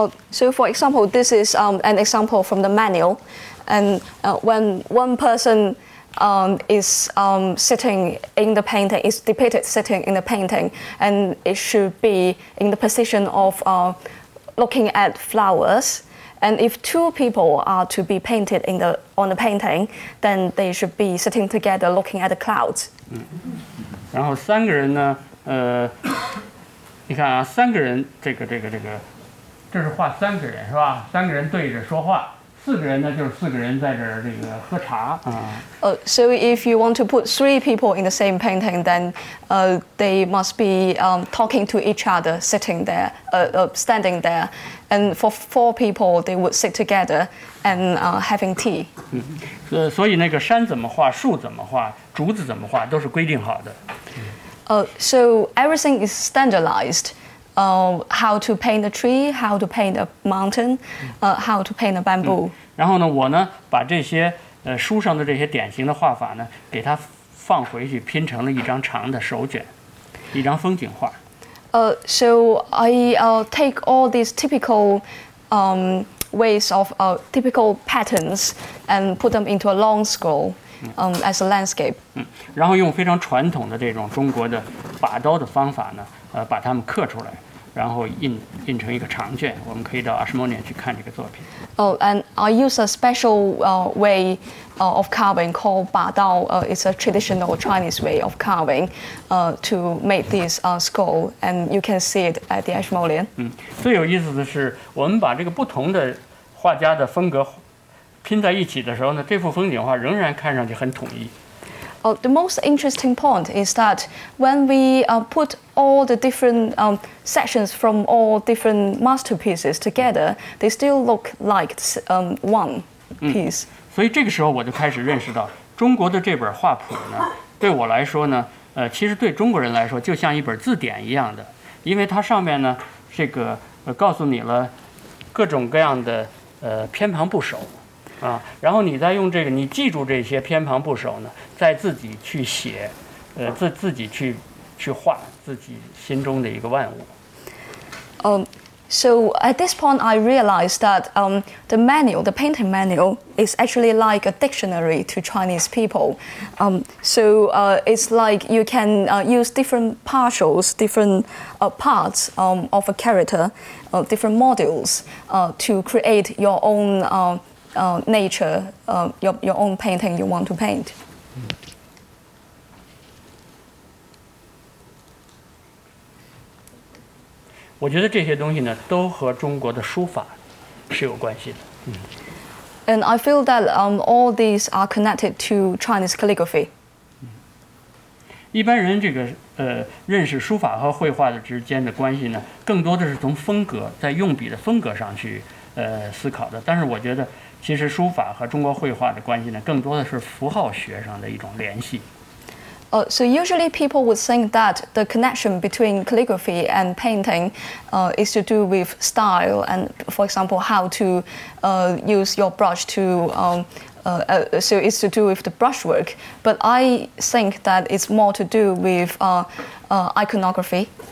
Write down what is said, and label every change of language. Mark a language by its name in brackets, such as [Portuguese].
[English] So for example, this is an example from the manual, and when one person is sitting in the painting, is depicted sitting in the painting, and it should be in the position of looking at flowers. And if two people are to be painted in the, on the painting, then they should be sitting together looking at the clouds. [Chinese] 然后三个人呢，你看啊，三个人这个，这是画三个人是吧？三个人对着说话，四个人呢就是四个人在这儿这个喝茶啊。 [English] So if you want to put three people in the same painting, then they must be talking to each other, sitting there, standing there. And for four people, they would sit together and having tea. [Chinese] 所以那个山怎么画，树怎么画，竹子怎么画，都是规定好的。 [English] So everything is standardized. How to paint a tree, how to paint a mountain, how to paint a bamboo. [Chinese] 然后呢，我呢把这些书上的这些典型的画法呢，给他放回去拼成了一张长的手卷，一张风景画。 [English] So I take all these typical ways of typical patterns and put them into a long scroll as a landscape. [Chinese] 然后用非常传统的这种中国的把刀的方法呢，把它们刻出来。然后印成一个长卷，我们可以到Ashmolean去看这个作品。 [English] And I use a special way of carving called 把刀。 It's a traditional Chinese way of carving to make this skull, and you can see it at the Ashmolean. [Chinese] 最有意思的是，我们把这个不同的画家的风格拼在一起的时候呢，这幅风景画仍然看上去很统一。 [English] The most interesting point is that when we put all the different sections from all different masterpieces together, they still look like one piece. [Chinese] 所以这个时候我就开始认识到，中国的这本画谱呢，对我来说呢，其实对中国人来说就像一本字典一样的，因为它上面呢，这个告诉你了各种各样的偏旁部首。然后你再用这个，你记住这些偏旁部首呢，再自己去写，自己去画自己心中的一个万物。 [English] So at this point, I realized that the manual, the painting manual, is actually like a dictionary to Chinese people. It's like you can use different partials, different parts of a character, different modules to create your own. Nature, your own painting you want to paint. [Chinese] 我觉得这些东西呢，都和中国的书法是有关系的。 [English] And I feel that all these are connected to Chinese calligraphy. [Chinese] 一般人这个认识书法和绘画的之间的关系呢，更多的是从风格，在用笔的风格上去思考的。但是我觉得。其实书法和中国绘画的关系呢，更多的是符号学上的一种联系。 [English] So usually people would think that the connection between calligraphy and painting, is to do with style and, for example, how to, use your brush to, so it's to do with the brushwork. But I think that it's more to do with, iconography.